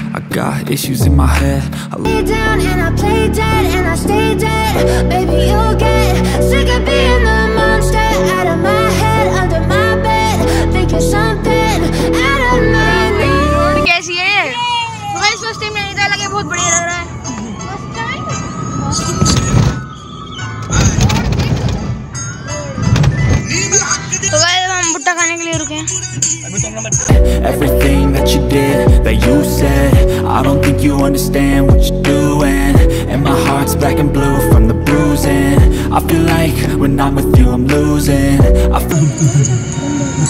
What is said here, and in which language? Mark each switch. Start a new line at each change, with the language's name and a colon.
English: got issues in my head. I lay down and I play dead and I stay dead. Baby, you'll get sick of being the monster out of my head, under my bed. Think you're something out of my mind.
Hindi: कैसी है ये? मुझे सोचते में नहीं था, लगे बहुत बढ़िया लग रहा है. तो गाइस, हम भुट्टा खाने के लिए रुके हैं.
English: Everything that you did, that you said, I don't think you understand what you're doing. And my heart's black and blue from the bruising. I feel like when I'm with you, I'm losing. I feel.